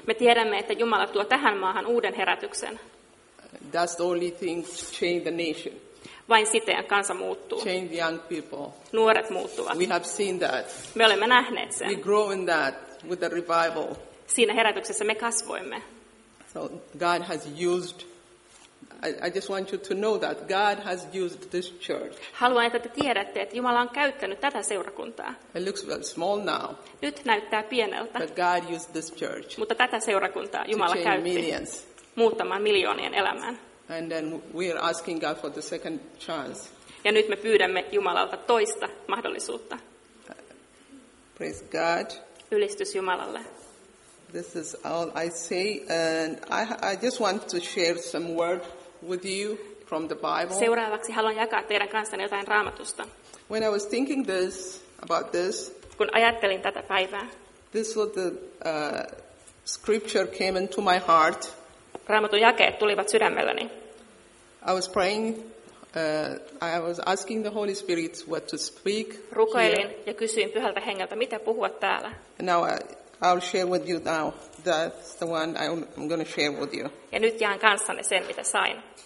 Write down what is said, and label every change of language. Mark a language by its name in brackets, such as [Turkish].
[Finnish] Me tiedämme, että Jumala tuo tähän maahan uuden herätyksen. [English] That's the only thing to change the nation. [Finnish] Vain siten kansa muuttuu. [English] Change young people. [Finnish] Nuoret muuttuvat. [English] We have seen that. [Finnish] Me olemme nähneet sen. [English] We grow in that with the revival. [Finnish] Siinä herätyksessä me kasvoimme. [English] So God has used. I just want you to know that God has used this church. [Finnish] Haluan, että te tiedätte, että Jumala on käyttänyt tätä seurakuntaa. [English] It looks very small now. [Finnish] Nyt näyttää pieneltä. [English] But God used this church. [Finnish] Mutta tätä seurakuntaa Jumala [English] to [Finnish] käytti. [English] Millions. [Finnish] Muuttamaan miljoonien elämään. [English] And then we are asking God for the second chance. [Finnish] Ja nyt me pyydämme Jumalalta toista mahdollisuutta. [English] Praise God. [Finnish] Ylistys Jumalalle. [English] This is all I say, and I just want to share some word with you from the Bible. [Finnish] Seuraavaksi haluan jakaa teidän kanssanne jotain Raamatusta. [English] When I was thinking this about this, [Finnish] kun ajattelin tätä päivää, [English] this was the scripture came into my heart. [Finnish] Raamatun jakeet tulivat sydämelleni. [English] I was praying, I was asking the Holy Spirit what to speak. [Finnish] Rukoilin ja kysyin Pyhältä Hengeltä, mitä puhua täällä. [English] Now I'll share with you now. That's the one I'm going to share with you. [Finnish] Ja nyt jaan kanssanne sen, mitä sain.